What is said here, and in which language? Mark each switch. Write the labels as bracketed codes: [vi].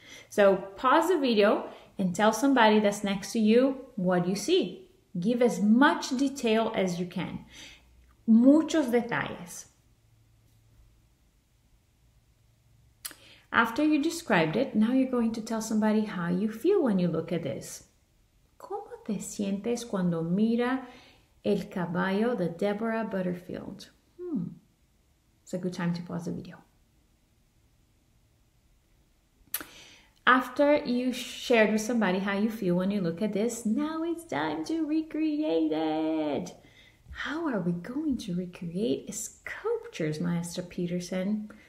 [en] So pause the video and tell somebody that's next to you what you see. Give as much detail as you can. [es] Muchos detalles. [en] After you described it, now you're going to tell somebody how you feel when you look at this. [es] ¿Cómo te sientes cuando mira el caballo de Deborah Butterfield? [en] It's a good time to pause the video. After you shared with somebody how you feel when you look at this, now it's time to recreate it. How are we going to recreate sculptures, Maestro Peterson?